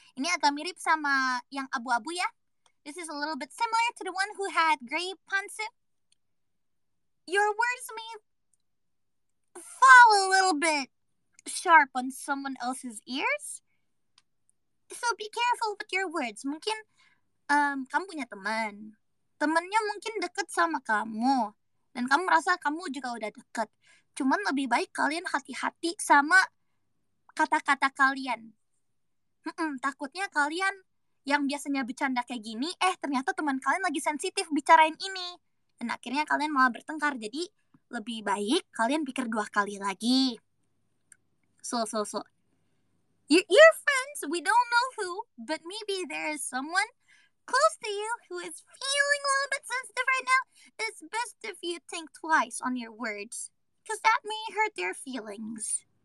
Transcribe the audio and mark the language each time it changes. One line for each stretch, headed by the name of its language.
Indonesian: Ini agak mirip sama yang abu-abu ya.
English: This is a little bit similar to the one who had gray pants. Your words may fall a little bit sharp on someone else's ears. So be careful with your words.
Indonesian: Mungkin kamu punya teman. Temannya mungkin deket sama kamu. Dan kamu merasa kamu juga udah deket. Cuman lebih baik kalian hati-hati sama kata-kata kalian. Takutnya kalian yang biasanya bercanda kayak gini, ternyata teman kalian lagi sensitif bicarain ini. Dan akhirnya kalian malah bertengkar. Jadi lebih baik kalian pikir dua kali lagi. So.
English: You're friends, we don't know who, but maybe there is someone close to you who is feeling a little bit sensitive right now. It's best if you think twice on your words, because that may hurt their feelings.